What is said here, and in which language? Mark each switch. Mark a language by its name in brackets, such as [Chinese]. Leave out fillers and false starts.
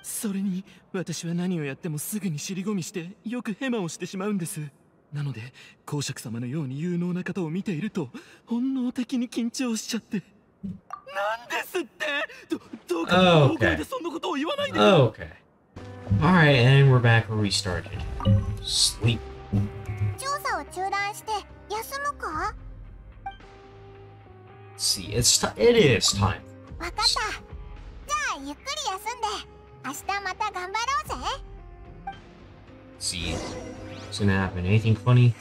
[Japanese] それに私は何をやってもすぐに尻込みしてよくヘマをしてしまうんです。なので公爵様のように有能な方を見ていると本能的に緊張しちゃって。なんですって。どうか大声でそんなことを言わないで。 [English] Oh, okay. All right, and we're back where we started. Sleep. [Japanese] 調査を中断して休むか。 [English] See, it is time. [Japanese] わかった。じゃあゆっくり休んで明日また頑張ろうぜ。 [English] See, it's gonna happen. Anything funny?